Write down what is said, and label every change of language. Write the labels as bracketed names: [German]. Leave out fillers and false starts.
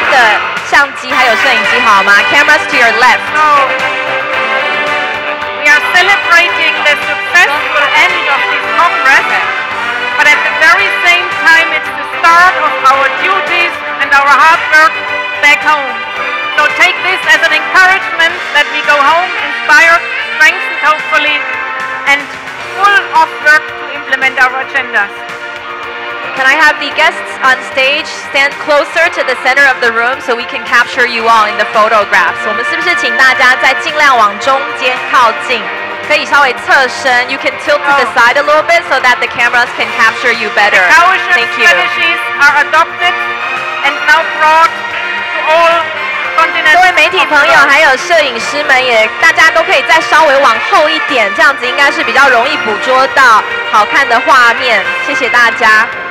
[Chinese] 左手边的相机还有摄影机好吗? [English] Cameras to your left. So, we are celebrating the successful end of this Congress, but at the very same time, it's the start of our duties and our hard work back home. So take this as an encouragement that we go home inspired, strengthened hopefully, and full of work to implement our agendas. Can I have the guests on stage stand closer to the center of the room so we can capture you all in the photographs? [Chinese] 我们是不是请大家再尽量往中间靠近？可以稍微侧身, [English] you can tilt to the side a little bit so that the cameras can capture you better. The Kaohsiung strategies are adopted and now brought to all continents. [Chinese] 各位媒体朋友还有摄影师们也，大家都可以再稍微往后一点，这样子应该是比较容易捕捉到好看的画面。谢谢大家。